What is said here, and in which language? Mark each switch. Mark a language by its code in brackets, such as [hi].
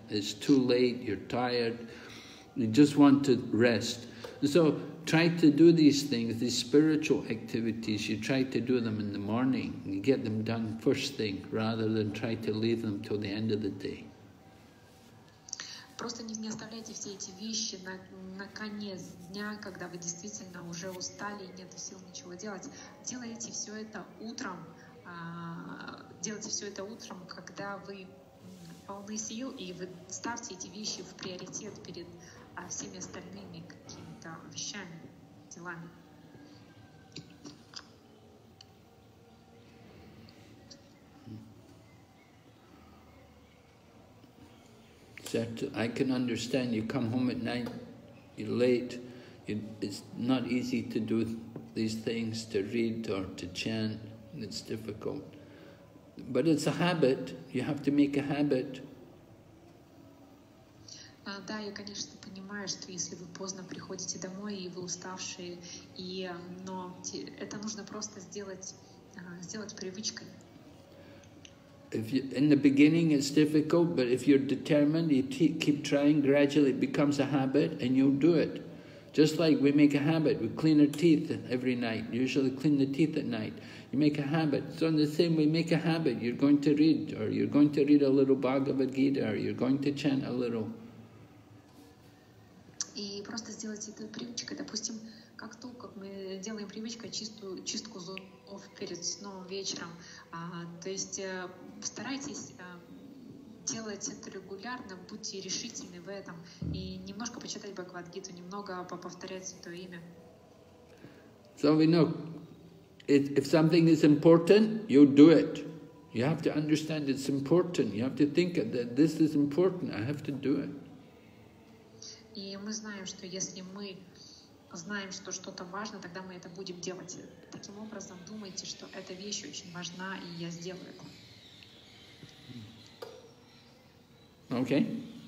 [en] It's too late, you're tired, you just want to rest. So try to do these things, these spiritual activities, you try to do them in the morning, you get them done first thing, rather than try to leave them till the end of the day. [ru] Просто не оставляйте все эти вещи на конец дня, когда вы действительно уже устали и нет сил ничего делать. Делайте все это утром, когда вы полны сил, и вы ставьте эти вещи в приоритет перед всеми остальными какими-то вещами, делами. [en] I can understand you come home at night, you're late, it's not easy to do these things, to read or to chant, it's difficult. But it's a habit, you have to make a habit. [ru] Да, я, конечно, понимаю, что если вы поздно приходите домой, и вы уставшие, но это нужно просто сделать привычкой. [en] If you, in the beginning it's difficult, but if you're determined, you keep trying, gradually it becomes a habit and you'll do it. Just like we make a habit, we clean our teeth every night, usually clean the teeth at night. You make a habit. So in the same way, make a habit, you're going to read, or you're going to read a little Bhagavad Gita, or you're going to chant a little. [ru] И просто сделать это привычкой. Допустим, как то, как мы делаем привычкой чистку зубов перед сном вечером. То есть старайтесь делать это регулярно, будьте решительны в этом. И немножко почитать Бхагавад-гиту, немного повторять Святое Имя. [en] So we know, if something is important, you do it. You have to understand it's important. You have to think that this is important, I have to do it. [ru] И мы знаем, что если мы знаем, что что-то важно, тогда мы это будем делать. Таким образом, думайте, что эта вещь очень важна, и я сделаю это. [en] Okay.